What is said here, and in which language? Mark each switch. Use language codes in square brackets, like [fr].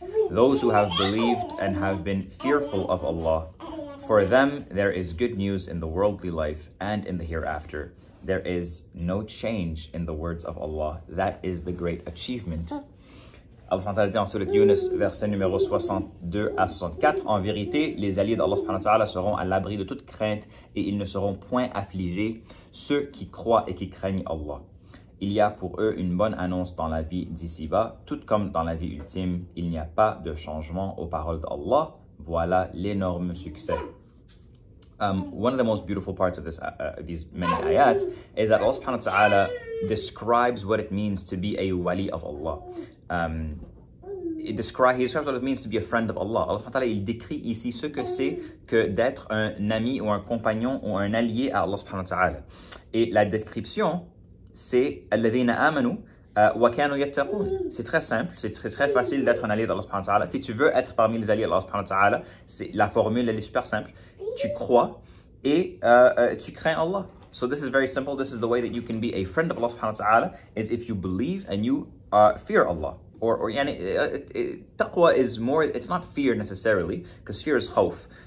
[en] Those who have believed and have been fearful of Allah, for them there is good news in the worldly life and in the hereafter. There is no change in the words of Allah. That is the great achievement. [fr] Allah Ta'ala dit en Surah Yunus, verset numéro 62 à 64, « En vérité, les alliés d'Allah Ta'ala seront à l'abri de toute crainte et ils ne seront point affligés, ceux qui croient et qui craignent Allah. Il y a pour eux une bonne annonce dans la vie d'ici-bas, tout comme dans la vie ultime, il n'y a pas de changement aux paroles d'Allah. Voilà l'énorme succès. » [en] One of the most beautiful parts of this, these many ayats is that Allah subhanahu wa ta'ala describes what it means to be a wali of Allah. He describes what it means to be a friend of Allah. [fr] Allah subhanahu wa ta'ala, il décrit ici ce que c'est que d'être un ami ou un compagnon ou un allié à Allah subhanahu wa ta'ala. Et la description, c'est [ar] الذين آمنوا وكانوا يتقون. [fr] C'est très simple, c'est très, très facile d'être un allié d'Allah subhanahu wa ta'ala. Si tu veux être parmi les alliés d'Allah subhanahu wa ta'ala, la formule elle est super simple. Tu crois et tu crains Allah. [en] So this is very simple. This is the way that you can be a friend of Allah subhanahu wa ta'ala is if you believe and you fear Allah. Taqwa is more, it's not fear necessarily, because fear is khawf.